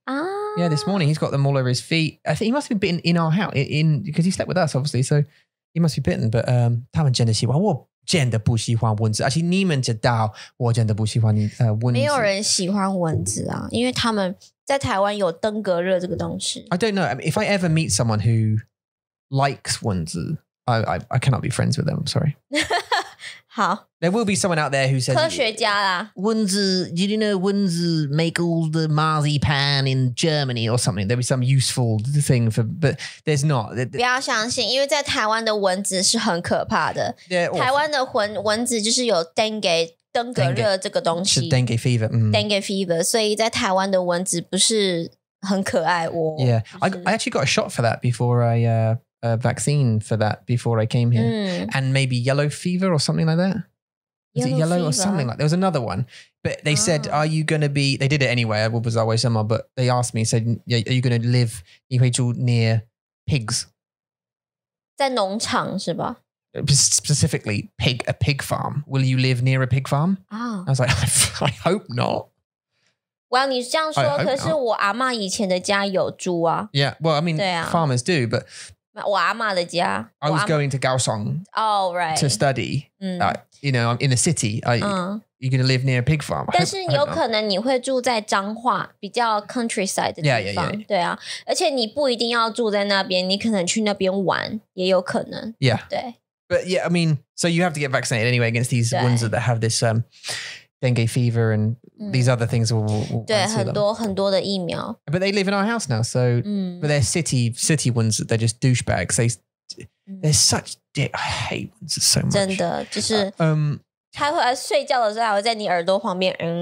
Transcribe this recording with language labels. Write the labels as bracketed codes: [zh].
[en] Yeah, this morning he's got them all over his feet. I think he must have been bitten in our house because he slept with us, obviously. So he must be bitten. But Taman Genesee, wow, whoa. [zh] 真的不喜欢蚊子，而且你们知道，我真的不喜欢蚊子。没有人喜欢蚊子啊，因为他们在台湾有登革热这个东西。 [en] I don't know. I mean, if I ever meet someone who likes 蚊子, I cannot be friends with them. I'm sorry. [zh] 好。 [en] There will be someone out there who says [zh] 科学家啦。 [en] 蚊子, did you know 蚊子 make all the marzipan in Germany or something? There'll be some useful thing but there's not. [zh] 不要相信，因为在台湾的蚊子是很可怕的。台湾的蚊子就是有登革热这个东西。 [en] 是 dengue fever. Dengue fever. [zh] 所以在台湾的蚊子不是很可爱哦。 [en] Yeah, I actually got a shot for that before I a vaccine for that before I came here. And maybe yellow fever or something like that. Is yellow it yellow fever? Or something like that? There was another one. But they said, are you going to be... They did it anyway. It was always summer. But they asked me, said, are you going to live near pigs? [zh] 在农场是吧? [en] Specifically, a pig farm. Will you live near a pig farm? I was like, I hope not. [zh] Well, 你这样说,可是我阿嬷以前的家有猪啊。 [en] Yeah, well, I mean, farmers do, but... [zh] 我阿嬷的家。 [en] I was going to Kaohsiung to study. You know, I'm in a city. You're going to live near a pig farm. [zh] 但是有可能你会住在彰化，比较 countryside 的地方。 [en] Yeah, yeah, yeah. [zh] 对啊，而且你不一定要住在那边，你可能去那边玩也有可能。 [en] Yeah. [zh] 对。 [en] But yeah, I mean, so you have to get vaccinated anyway against these ones that have this dengue fever and these other things. [zh] 对，很多很多的疫苗。 [en] But they live in our house now, so but they're city ones. They're just douchebags. They're such dick. I hate ones so much. [zh] 真的，就是他会睡觉的时候还会在你耳朵旁边。